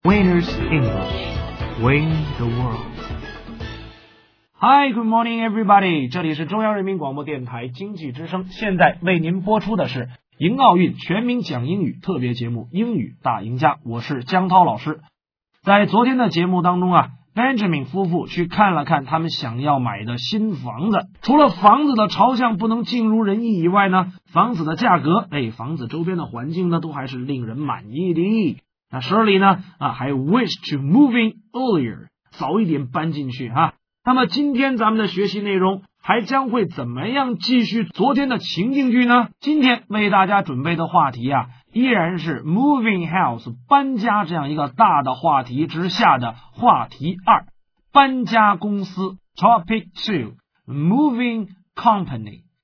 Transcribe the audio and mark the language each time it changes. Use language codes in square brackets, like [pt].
[en] Winners English, win the world. Hi, good morning, everybody. [zh] 这里是中央人民广播电台经济之声，现在为您播出的是迎奥运全民讲英语特别节目英语大赢家，我是江涛老师。在昨天的节目当中啊，Benjamin 夫妇去看了看他们想要买的新房子，除了房子的朝向不能尽如人意以外呢，房子的价格，房子周边的环境呢，都还是令人满意的。那 Shirley 呢，还 [en] wish to move in earlier， [zh] 早一点搬进去哈。那么今天咱们的学习内容还将会怎么样继续昨天的情境剧呢？今天为大家准备的话题啊，依然是 [en] moving house [zh] 搬家这样一个大的话题之下的话题二，搬家公司 [en] topic two， moving company。